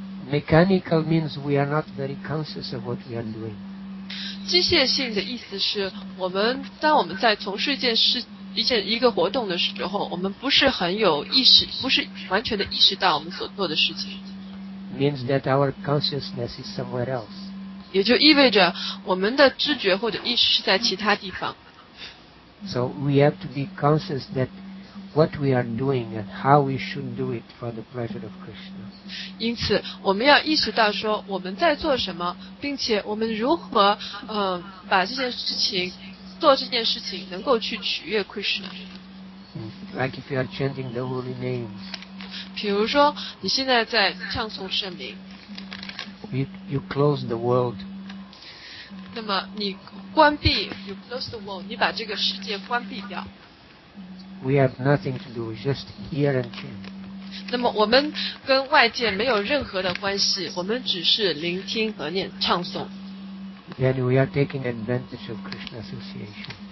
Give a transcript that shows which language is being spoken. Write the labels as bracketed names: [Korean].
[English] Mechanical means we are not very conscious of what we are doing. [Chinese] 机械性的意思是我们当我们在从事一个活动的时候，我们不是很有意识，不是完全的意识到我们所做的事情。 [English] Means that our consciousness is somewhere else. [Chinese] 也就意味着我们的知觉或者意识是在其他地方。 [English] So we have to be conscious that what we are doing and how we should do it for the pleasure of Krishna. [Chinese] 因此我们要意识到说我们在做什么，并且我们如何把这件事情做这件事情能够去取悦 Krishna。 [English] Like if you are chanting the holy name, [Chinese] 比如说你现在在唱诵圣名， [English] you close the world. [Chinese] 那么你关闭， [English] you close the world, [Chinese] 你把这个世界关闭掉。 [English] We have nothing to do, just hear and chant. [Chinese] 那么我们跟外界没有任何的关系，我们只是聆听和念唱诵。 [English] Then we are taking advantage of Krishna association.